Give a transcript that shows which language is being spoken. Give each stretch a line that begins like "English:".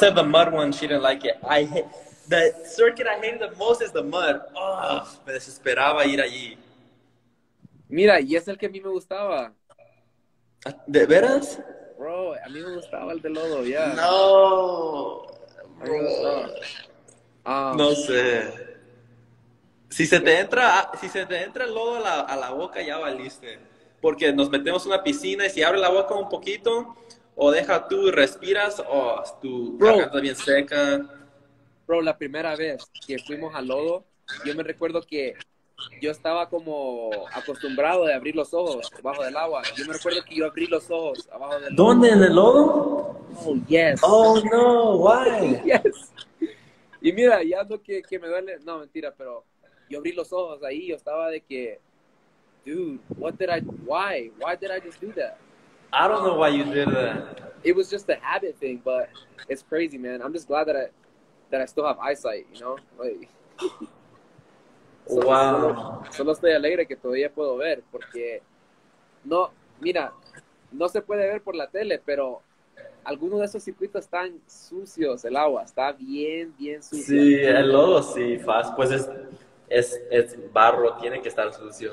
English: said the mud one, she didn't like it. I hate, the circuit I hated the most is the mud.
Spanish: Oh, me desesperaba ir allí. Mira, y es el que a mí me gustaba. ¿De veras? Bro, a mí me gustaba el de lodo, ya. No, A mí me gustaba. no sé. Si se te entra el lodo a la boca, ya valiste. Porque nos metemos en una piscina y si abre la boca un poquito, o deja tú y respiras, o tu garganta bien seca. Bro, la primera vez que fuimos al lodo, yo me recuerdo que yo estaba como acostumbrado de abrir los ojos abajo del agua. Yo me recuerdo que yo abrí los ojos abajo del agua. ¿Dónde? ¿En el lodo?
English: Oh, yes. Oh, no. Why? Yes.
Spanish: Y mira, ya ando que me duele. No, mentira, pero yo abrí los ojos ahí. Yo estaba de que,
English: dude, what did I, why? Why did I just do that? I don't know why you did that. It was just a habit thing, but it's crazy, man. I'm just glad that I still have eyesight, you know? Like,
Spanish: Solo estoy alegre que todavía puedo ver, porque no, mira, no se puede ver por la tele, pero algunos de esos circuitos están sucios, el agua está bien, bien sucio. Sí, el lodo, sí, fast, pues es barro, tiene que estar sucio.